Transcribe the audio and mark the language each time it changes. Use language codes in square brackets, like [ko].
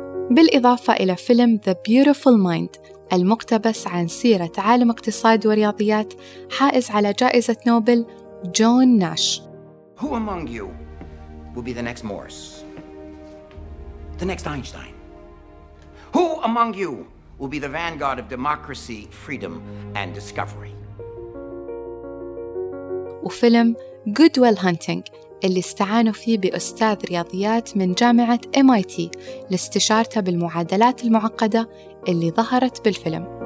[ar] بالإضافة إلى فيلم The Beautiful Mind المقتبس عن سيرة عالم اقتصاد ورياضيات حائز على جائزة نوبل جون ناش. [en] Who among you will be the next Morris? The next Einstein? Who among you will be the vanguard of democracy, freedom and discovery? [ar] وفيلم Goodwill Hunting اللي استعانوا فيه بأستاذ رياضيات من جامعة MIT لاستشارته بالمعادلات المعقدة اللي ظهرت بالفيلم.